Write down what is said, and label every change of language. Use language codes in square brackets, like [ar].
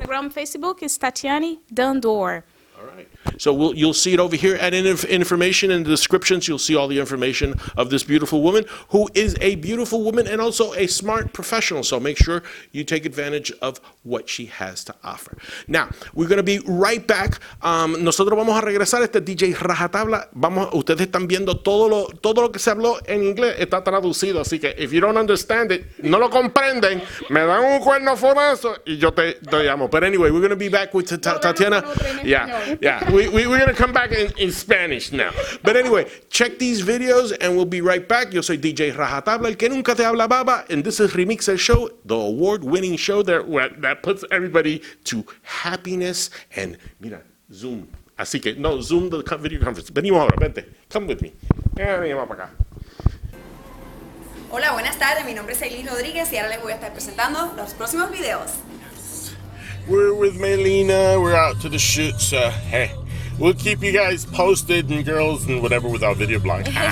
[en] Instagram, Facebook is Tatiana Dandor. So you'll see it over here, and in information in the descriptions, you'll see all the information of this beautiful woman, who is a beautiful woman and also a smart professional. So make sure you take advantage of what she has to offer. Now, we're going to be right back. [es] Nosotros vamos a regresar. Este DJ Rajatabla, ustedes están viendo todo lo que se habló en inglés, está traducido. Así que, [en] if you don't understand it, [es] no lo comprenden, me dan un cuerno forazo y yo te llamo. [en] But anyway, we're going to be back with Tatiana. Yeah. We're going to come back in Spanish now. But anyway, check these videos and we'll be right back. [es] Yo soy DJ Rajatabla, el que nunca te habla baba. [en] And this is Remix El Show, the award-winning show that puts everybody to happiness. [es] And mira, Zoom. Así que, no, Zoom the video conference. Venimos ahora, vente. [en] Come with me. [es] Venimos para acá. Hola, buenas tardes. Mi nombre es Aileen Rodriguez y ahora les voy a estar presentando los próximos videos. [en] We're with Melina. We're out to the shoot, so hey, we'll keep you guys posted and girls and whatever with our video blog.